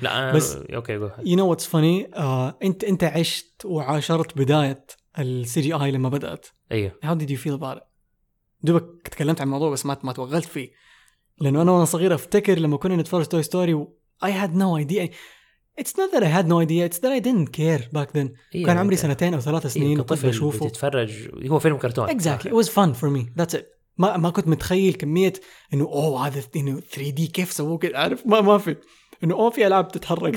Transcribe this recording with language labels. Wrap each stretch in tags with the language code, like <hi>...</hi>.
<ar>لا أنا بس أوكي</ar> <en>go ahead. You know what's funny،</en> <ar>أنت عشت وعاشرت بداية CGI لما بدأت. أيوه.</ar> <en>How did you feel about it؟</en> <ar>دوبك تكلمت عن الموضوع بس ما توغلت فيه، لأنه أنا وأنا صغير أفتكر لما كنا نتفرج توي ستوري</ar> <en>I had no idea. It's not that I had no idea, it's that I didn't care back then.</en> <ar>إيه كان عمري سنتين أو ثلاث سنين كنت بشوفه تتفرج، هو فيلم كرتون.</ar> <en>Exactly. It was fun for me. That's it.</en> <ar>ما كنت متخيل كمية إنه أوه هذا إنه 3D كيف سووك، عارف؟ ما في إنه أوه في ألعاب تتحرك.</ar>